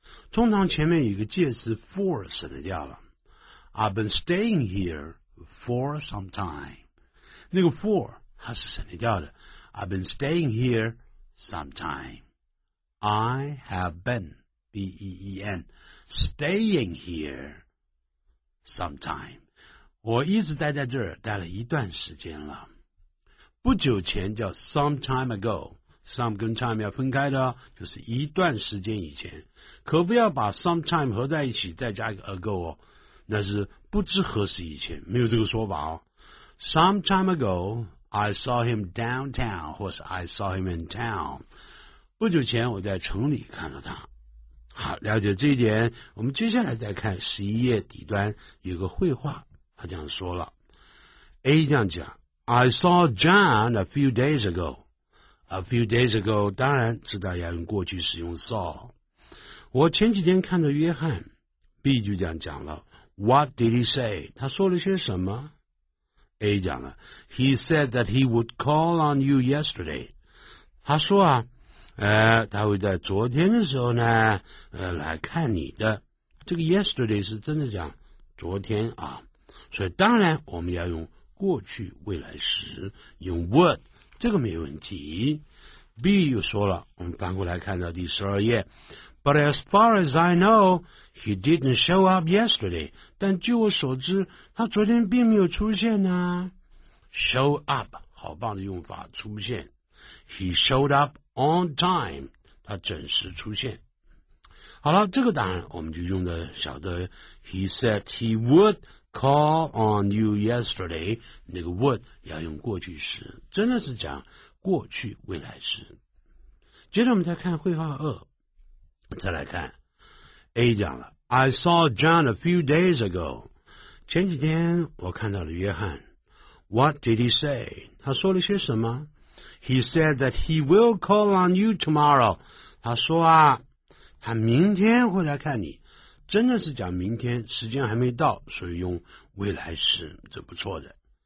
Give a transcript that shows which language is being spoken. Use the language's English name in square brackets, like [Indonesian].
[Chinese] 通常前面有一个介词 [English] for 省得掉了， I've been staying here for some time, [Chinese] 那个 [English] for [Chinese] 它是省得掉的， [English] I've been staying here some time, I have been B-E-E-N staying here some time, [Chinese] 我一直待在这儿待了一段时间了。不久前叫 some time ago, some 跟 time 要分开的，就是一段时间以前，可不要把 some time 合在一起再加一个 ago 哦，那是不知何时以前，没有这个说法哦。 [English] some time ago I saw him downtown 或是 I saw him in town, [Chinese] 不久前我在城里看到他。好，了解这一点，我们接下来再看十一页底端有个绘画，他这样说了， A 这样讲， [English] I saw John a few days ago, [Chinese] a few days ago 当然知道要用过去使用 saw, 我前几天看到约翰， B 就这样讲了， [English] What did he say, [Chinese] 他说了些什么， A 讲了， [English] He said that he would call on you yesterday, [Chinese] 他说啊他会在昨天的时候呢来看你的，这个 yesterday 是真的讲昨天啊，所以当然我们要用过去未来时，用 would, 这个没问题。 B 又说了，我们翻过来看到第十二页， [English] But as far as I know he didn't show up yesterday, [Chinese] 但据我所知他昨天并没有出现啊。 [English] show up [Chinese] 好棒的用法，出现， [English] he showed up on time, [Chinese] 他准时出现。好了，这个答案我们就用的晓得， [English] he said he wouldCall on you yesterday, [Chinese] 那个 would 要用过去时，真的是讲过去未来时。接着我们再看绘画二，再来看 A 讲了， [English] I saw John a few days ago, [Chinese] 前几天我看到了约翰， [English] What did he say, [Chinese] 他说了些什么， [English] He said that he will call on you tomorrow, [Chinese] 他说啊他明天会来看你，真的是讲明天，时间还没到，所以用未来时，这不错的。